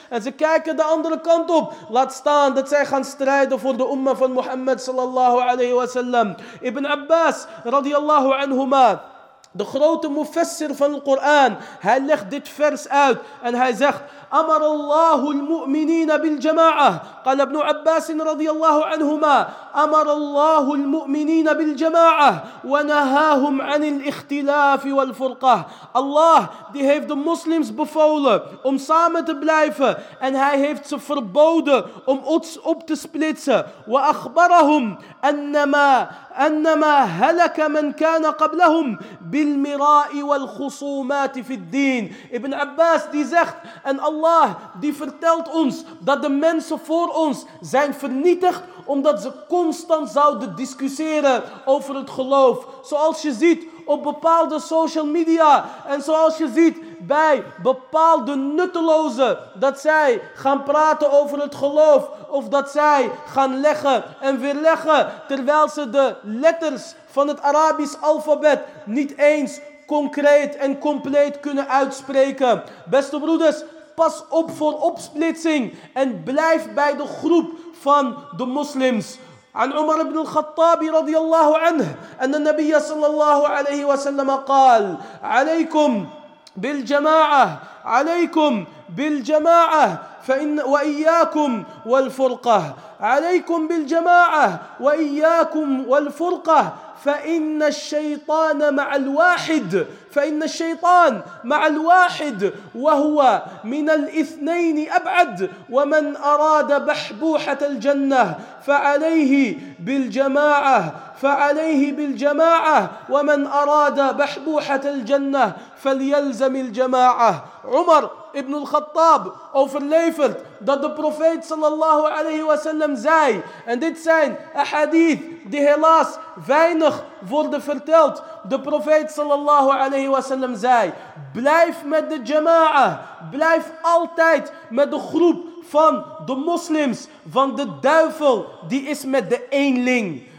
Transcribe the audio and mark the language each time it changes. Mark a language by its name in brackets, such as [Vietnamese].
[Dutch] En ze kijken de andere kant op. Laat staan dat zij gaan strijden voor de ummah van Mohammed sallallahu alayhi wa sallam. Ibn Abbas radiyallahu anhuma, de grote mufassir van de Koran, hij legt dit vers uit en hij zegt: [Arabic] أمر الله المؤمنين بالجماعة. قال ابن عباس رضي الله عنهما: أمر الله المؤمنين بالجماعة ونهاهم عن الاختلاف والفرقة. [Dutch] الله die heeft de moslims bevolen om samen te blijven en hij heeft ze verboden om ons op te splitsen. [Arabic] وأخبرهم أنما هلك من كان قبلهم بالمراء والخصومات في الدين. [Dutch] ابن عباس die zegt, en Allah die vertelt ons dat de mensen voor ons zijn vernietigd omdat ze constant zouden discussiëren over het geloof. Zoals je ziet op bepaalde social media en zoals je ziet bij bepaalde nuttelozen, dat zij gaan praten over het geloof of dat zij gaan leggen en weerleggen terwijl ze de letters van het Arabisch alfabet niet eens concreet en compleet kunnen uitspreken. Beste broeders, pas op voor opsplitsing en blijf bij de groep van de moslims. [Arabic] عن عمر بن الخطاب رضي الله عنه أن النبي صلى الله عليه وسلم قال: عليكم بالجماعة، عليكم بالجماعة فإن وإياكم والفرقة، عليكم بالجماعة وإياكم والفرقة فإن الشيطان مع الواحد، فإن الشيطان مع الواحد وهو من الاثنين أبعد، ومن أراد بحبوحة الجنة فعليه بالجماعة، فعليه بالجماعة، ومن أراد بحبوحة الجنة فليلزم الجماعة. [Dutch] عمر ابن الخطاب overlevert dat de profeet sallallahu alayhi wa sallam zei, en dit zijn ahadith die helaas weinig worden verteld. De profeet sallallahu alayhi wa sallam zei: blijf met de jama'a, blijf altijd met de groep van de moslims, want de duivel die is met de eenling.